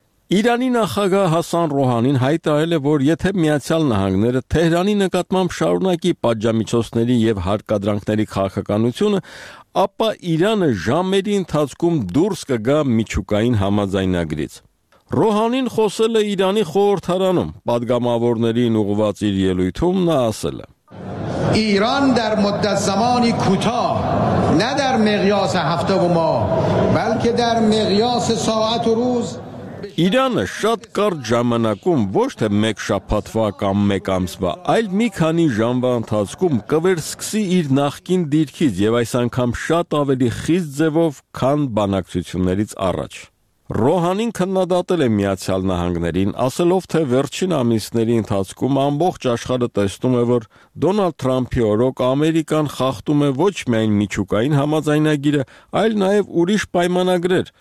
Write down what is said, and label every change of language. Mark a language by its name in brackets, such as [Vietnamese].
[Armenian] Իրանի նախագահ Հասան Ռոհանին հայտարարել է, որ եթե Միացյալ Նահանգները Թեհրանի նկատմամբ շարունակի պատժամիջոցների եւ հարկադրանքների քաղաքականությունը, ապա Իրանը ժամերի ընթացքում դուրս կգա միջուկային համաձայնագրից։ Ռոհանին խոսել է Իրանի խորհրդարանում, պատգամավորներին ուղղված իր ելույթում նա ասել է. [Persian] ایران در مدت زمانی کوتاه نه در مقیاس هفته و ماه بلکه در مقیاس ساعت و روز [Armenian] Իրանը շատ կարճ ժամանակում ոչ թե մեկ շաբաթվա կամ մեկ ամսվա, այլ մի քանի ժամվա ընթացքում կվերսկսի իր նախկին դիրքից եւ այս անգամ շատ ավելի խիստ ձևով, քան բանակցություններից առաջ։ Ռոհանին քննադատել է Միացյալ Նահանգներին, ասելով, թե վերջին ամիսների ընթացքում ամբողջ աշխարհը տեսնում է, որ Դոնալդ Թրամփի օրոք Ամերիկան խախտում է ոչ միայն միջուկային համաձայնագիրը, այլ նաև ուրիշ պայմանագրեր։